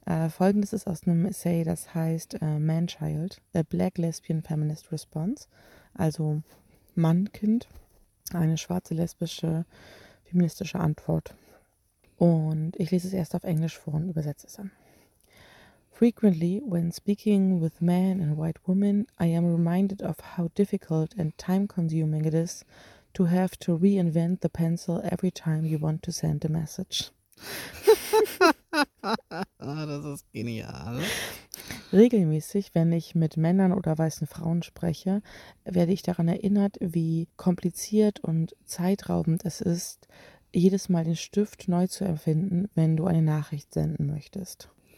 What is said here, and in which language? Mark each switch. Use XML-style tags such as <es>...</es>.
<de>Folgendes ist aus einem Essay, das heißt Manchild, A Black Lesbian Feminist Response, also Mannkind, eine schwarze lesbische feministische Antwort. Und ich lese es erst auf Englisch vor und übersetze es dann.</de> <en>Frequently, when speaking with men and white women, I am reminded of how difficult and time-consuming it is to have to reinvent the pencil every time you want to send a message.</en> <de>Das ist genial. Regelmäßig, wenn ich mit Männern oder weißen Frauen spreche, werde ich daran erinnert, wie kompliziert und zeitraubend es ist, jedes Mal den Stift neu zu erfinden, wenn du eine Nachricht senden möchtest.</de>